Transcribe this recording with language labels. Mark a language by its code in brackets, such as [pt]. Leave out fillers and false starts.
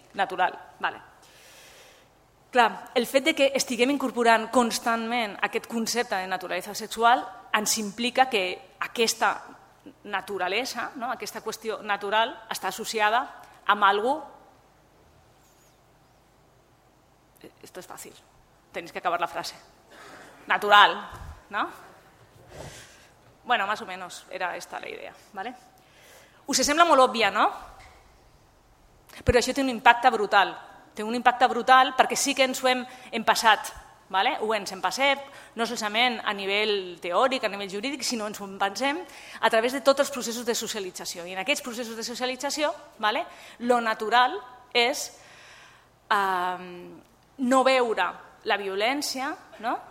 [ca] Natural, vale. Clar, el fet de que estiguem incorporant constantment aquest concepte de naturalesa sexual ens implica que aquesta naturalesa, no? Aquesta qüestió natural està associada amb algú. [es] Esto es fácil. Tenéis que acabar la frase. Natural, ¿no? Bueno, más o menos era esta la idea, ¿vale? [ca] Us sembla molt òbvia, no? Però això té un impacte brutal. Té un impacte brutal perquè sí que ens ho hem empassat, ¿vale? Ho ens empassem, no solament a nivell teòric, a nivell jurídic, sinó ens ho empassem a través de tots els processos de socialització. I en aquests processos de socialització, ¿vale? Lo natural és no veure la violència, no?